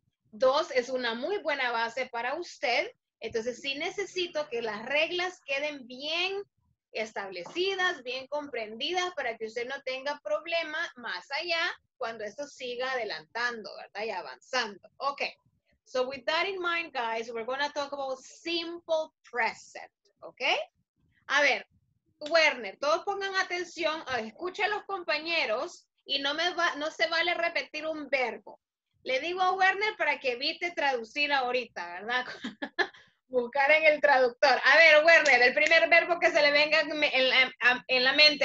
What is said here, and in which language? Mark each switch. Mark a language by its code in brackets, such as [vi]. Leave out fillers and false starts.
[es] Dos, es una muy buena base para usted. Entonces, sí necesito que las reglas queden bien establecidas, bien comprendidas, para que usted no tenga problema más allá cuando esto siga adelantando, ¿verdad? Y avanzando. [en] Ok. So, with that in mind, guys, we're going to talk about simple present. [es] Ok. A ver. Werner, todos pongan atención, escuchen a los compañeros y no se vale repetir un verbo. Le digo a Werner para que evite traducir ahorita, ¿verdad? Buscar en el traductor. A ver, Werner, el primer verbo que se le venga en la mente.